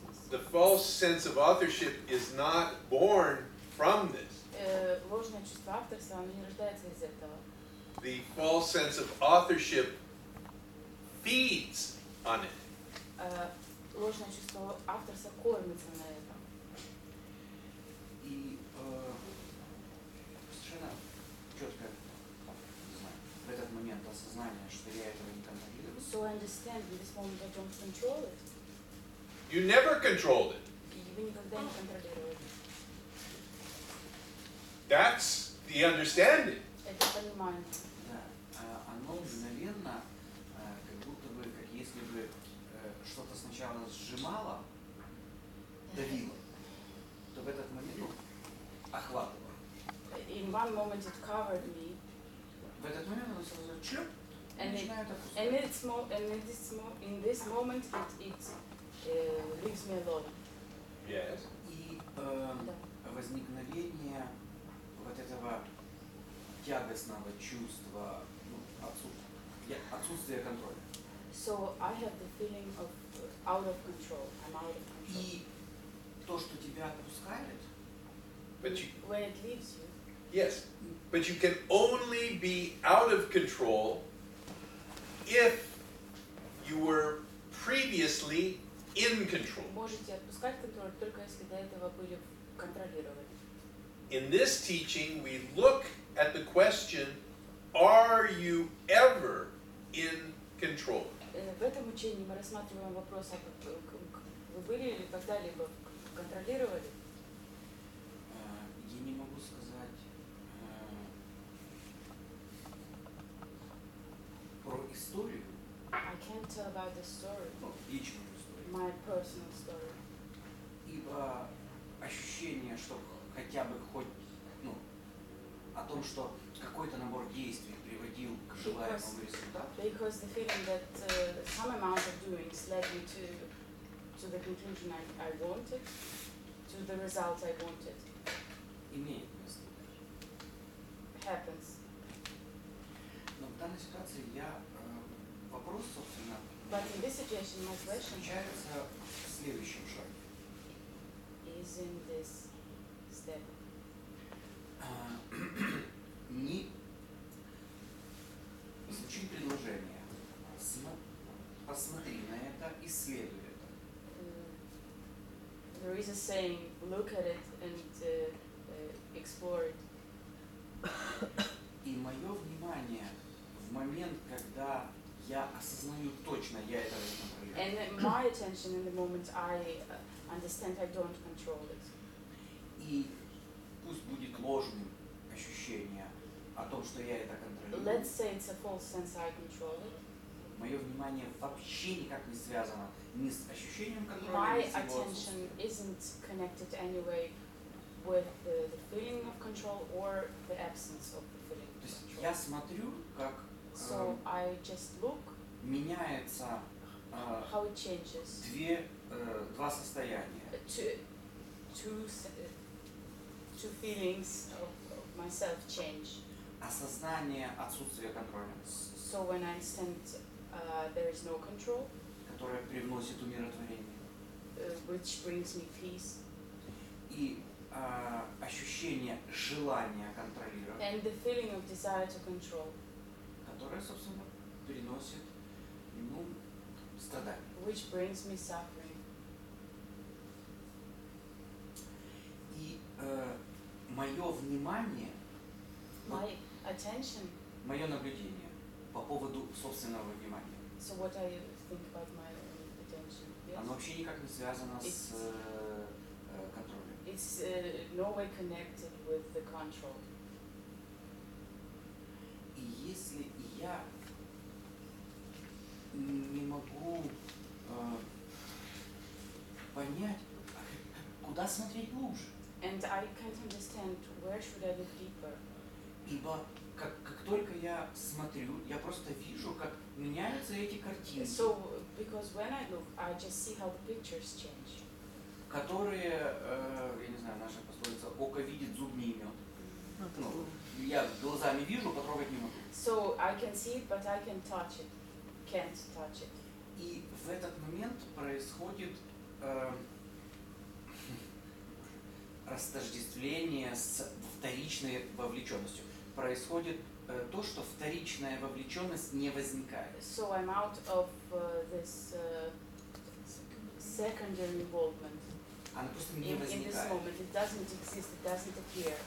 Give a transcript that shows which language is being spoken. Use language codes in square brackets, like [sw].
[en] The false sense of authorship is not born from this. [ru] Ложное чувство авторства, оно не рождается из этого. [en] The false sense of authorship feeds on it. [ru] Ложное чувство авторства кормится на этом. И совершенно четко, не знаю, в этот момент осознание, что я этого не контролирую. [en] So I understand in this moment I don't control it. You never controlled it. That's the understanding. [ru] Оно мгновенно, как будто бы, как если бы что-то сначала сжимало, давило, то в этот момент охватывало. [en] In one moment it covered me. [ru] В этот момент оно сразу чуп, [en] and it's more, and in this moment, it leaves me alone. Yes. [ru] И возникновение вот этого тягостного чувства, ну, отсутствия контроля. [en] So I have the feeling of out of control. I'm out of control. [ru] И то, что тебя отпускает, [en] when it leaves you. Yes, but you can only be out of control if you were previously in control. [ru] Можете отпускать контроль только если до этого были контролировали. [en] In this teaching, we look at the question: Are you ever in control? [ru] В этом учении мы рассматриваем вопрос: а вы были или когда-либо контролировали? Я не могу сказать про историю. [en] I can't tell about the story. [ru] Лично. [en] My personal story. [ru] Ибо ощущение, что хотя бы хоть, ну, о том, что какой-то набор действий приводил к желаемому результату. [en] Because the feeling that some amount of doings led me to the conclusion I wanted, to the result I wanted. [ru] Имеет место. [en] Happens. [ru] Но в данной ситуации я вопрос, собственно, [en] but in this situation, my question is in this step. [ru] Не звучит предложение. Посмотри на это, исследуй это. [en] There is a saying, look at it and explore it. [ru] И мое внимание в момент, когда я осознаю точно, я это не контролирую. [en] And my attention in the moment, I understand I don't control it. [ru] И пусть будет ложным ощущение о том, что я это контролирую. [en] Let's say it's a false sense I control it. [ru] Мое внимание вообще никак не связано ни с ощущением контроля, [en] my [ru] ни с его [en] attention isn't connected anyway with the feeling of control or the absence of the feeling of control. [ru] Я смотрю, как [en] so I just look, [ru] меняется [en] how it changes. [ru] Два состояния. [en] Two feelings of myself change. [ru] Осознание отсутствия контроля. [en] So when I understand there is no control, [ru] которое привносит умиротворение. [en] Which brings me peace. [ru] И ощущение желания контролировать. [en] And the feeling of desire to control. [ru] Которое, собственно, приносит, страдание. [en] Which brings me suffering. [ru] И мое внимание, [en] my attention, [ru] мое наблюдение по поводу собственного внимания. [en] So what I think about my attention? Yes. [ru] Оно вообще никак не связано с контролем. [en] It's no way connected with the control. [ru] И если я не могу понять, куда смотреть лучше? [en] And I can't understand where should I look deeper. [ru] Ибо как только я смотрю, я просто вижу, как меняются эти картины. [en] So because when I look, I just see how the pictures change. [ru] Которые, я не знаю, наша пословица: око видит, зуб не имеет. Ну, я глазами вижу, потрогать не могу. [en] So I can see it, but I can't touch it. Can't touch it. [ru] И в этот момент происходит растождествление с вторичной вовлеченностью. Происходит то, что вторичная вовлеченность не возникает. [en] So I'm out of this secondary involvement. [ru] Она просто не возникает. [en] In this moment it doesn't exist, it doesn't appear.